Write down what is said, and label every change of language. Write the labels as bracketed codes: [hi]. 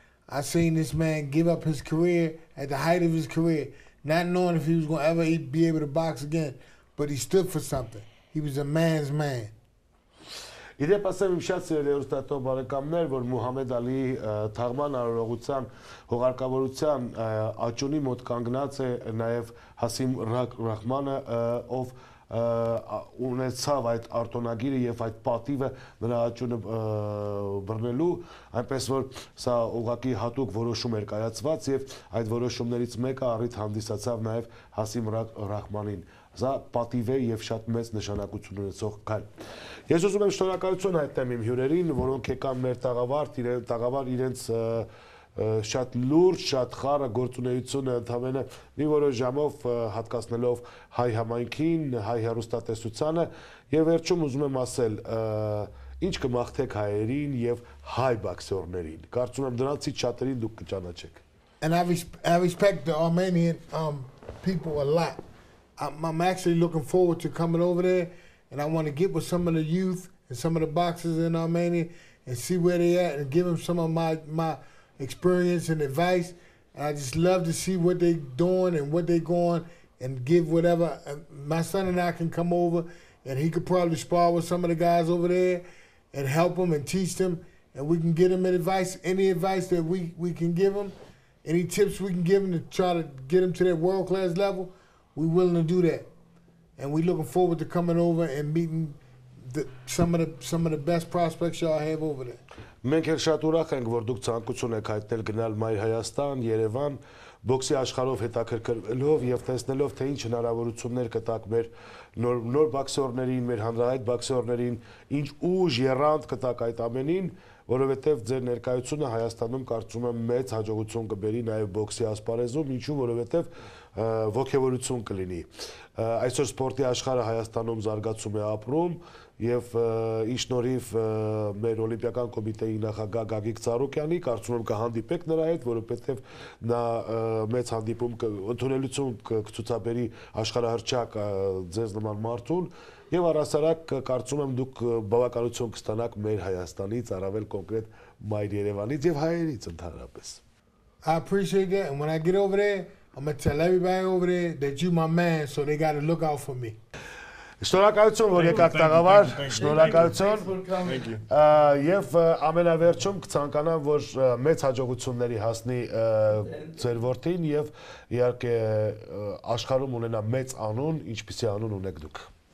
[en] I seen this man give up his career at the height of his career, not knowing if he was going to ever be able to box again, but he stood for something. He was a man's man. [hy] Իդեպ ասեմ իմ շատ սիրելի օրտատոր բարեկամներ, որ Մուհամեդ Ալի թաղման արարողության հուղարկավորության աճունի մոտ կանգնած է նաև Հասիմ Ռահմանը, ով ունեցավ այդ արտոնագիրը եւ այդ պատիվը նրա աճունը բռնելու, այնպես որ սա ուղղակի հատուկ որոշում էր կայացված եւ այդ որոշումներից մեկը առիթ հանդիսացավ նաեւ Հասիմ Ռահմանին։ Սա պատիվ է եւ շատ մեծ նշանակություն ունեցող քայլ։ Ես ուզում եմ շնորհակալություն հայտնել իմ հյուրերին, որոնք եկան մեր տաղավարտ, իրենց շատ լուրջ, շատ խառը գործունեությունը ընդհանրապես մի որոշ ժամով հատկացնելով հայ համայնքին, հայ հեռուստատեսությանը, եւ վերջում ուզում եմ ասել, ինչ կմաղթեք հայերին եւ հայ բաքսորներին։ Կարծում եմ դրանցից շատերին դուք կճանաչեք։ [en] And I respect the Armenian people a lot. I'm actually looking forward to coming over there, and I want to get with some of the youth and some of the boxers in Armenia and see where they at and give them some of my experience and advice. And I just love to see what they doing and what they going and give whatever. And my son and I can come over, and he could probably spar with some of the guys over there and help them and teach them, and we can get them advice, any advice that we can give them, any tips we can give them to try to get them to that world-class level. We're willing to do that, and we're looking forward to coming over and meeting some of the best prospects y'all have over there. [hy] Մենք շատ ուրախ ենք, որ դուք ցանկություն եք հայտնել գնալ Մայր Հայաստան, Երևան, բոքսի աշխարհով հետաքրքրվելով եւ տեսնելով թե ինչ հնարավորություններ կտակ մեր նոր բաքսորներին, մեր հանրահայտ բաքսորներին, ինչ ուժ երանդ կտակ այդ ամենին, որովհետեւ ձեր ներկայությունը Հայաստանում կարծում եմ մեծ հաջողություն կբերի նաեւ բոքսի ասպարեզում, ինչու որովհետեւ ոգևորություն կլինի։ Այսօր սպորտի աշխարհը Հայաստանում զարգացում է ապրում եւ իշնորիվ մեր օլիմպիական կոմիտեի նախագահ Գագիկ Ծառուկյանի, կարծում եմ կհանդիպեք նրա հետ, որովհետեւ նա մեծ հանդիպում ընդունելություն կցուցաբերի աշխարհահռչակ ձեզ նման մարդուն եւ առհասարակ կարծում եմ դուք բավականություն կստանաք մեր Հայաստանից, առավել կոնկրետ մայր Երևանից եւ հայերից ընդհանրապես։ [en] I appreciate that. When I get over there, I'm going to tell everybody over there that you my man, so they got to look out for me. [hy] Շնորհակալություն, որ եկաք տաղավար, շնորհակալություն։ Եվ ամենավերջում կցանկանամ, որ մեծ հաջողությունների հասնի ձեր որդին եւ իհարկե աշխարհում ունենա մեծ անուն, ինչպիսի անուն ունեք դուք։